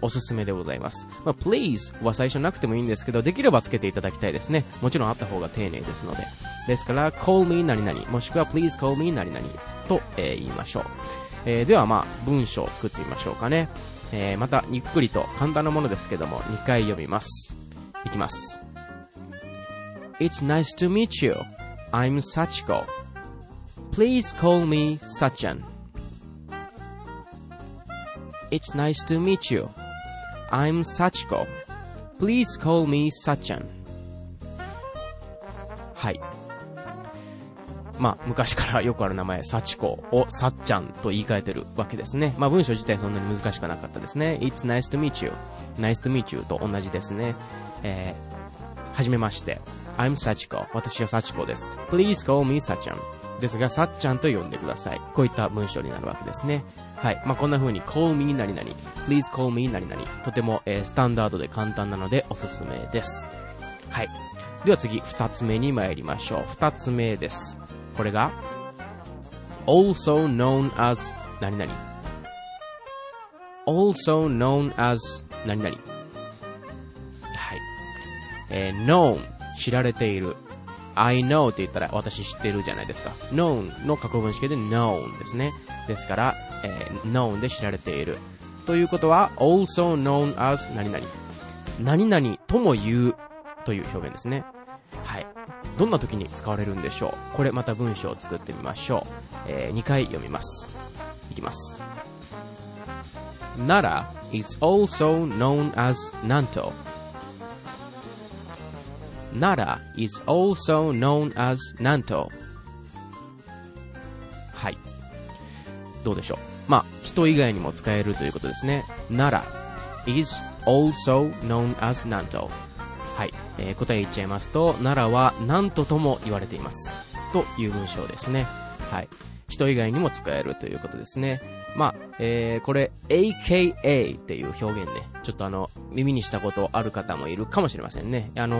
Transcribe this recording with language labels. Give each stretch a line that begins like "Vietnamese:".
Japanese: おすすめでございます。まあ Please は最初なくてもいいんですけど、できればつけていただきたいですね。もちろんあった方が丁寧ですので。ですから
English: call me 何々、
Japanese: もしくは
English: Please call me 何々
Japanese: と、言いましょう。ではまあ文章を作ってみましょうかね。またゆっくりと簡単なものですけども、2回読みます。いきます。
English: It's nice to meet youI'm Sachiko. Please call me Sachan. It's nice to meet you. I'm Sachiko. Please call me Sachan.
Japanese: はい。まあ、昔からよくある名前、サチコをサッチャンと言い換えてるわけですね。まあ、文章自体そんなに難しくなかったですね。
English: It's nice to meet you. Nice to meet you
Japanese: と同じですね。はじめまして。
English: I'm Sachiko.
Japanese: 私はサチコです。
English: Please call me サッチャン。
Japanese: ですが、サッチャンと呼んでください。こういった文章になるわけですね。はい。まあ、こんな風に、
English: call me 何々。 Please call me 何々。
Japanese: とても、スタンダードで簡単なのでおすすめです。はい。では次、二つ目に参りましょう。二つ目です。
English: これが、also known as 何々。 also known as 何々。
Japanese: はい。known。 知られている。
English: I know
Japanese: って言ったら私知ってるじゃないですか。known の過去分詞形で known ですね。ですから、known で知られている。ということは、
English: also known as 何々。
Japanese: 何々とも言うという表現ですね。はい。どんな時に使われるんでしょう。これまた文章を作ってみましょう。 2回読みます。いきます。
English: Nara is also known as Nanto. Nara is also known as Nanto.
Japanese: はい。どうでしょう。まあ、人以外にも使えるということですね。
English: Nara is also known as Nanto.
Japanese: はい。答え言っちゃいますと、Nara は何ととも言われています。という文章ですね。はい。人以外にも使えるということですね。まあ、これ、AKA っていう表現ね。ちょっと耳にしたことある方もいるかもしれませんね。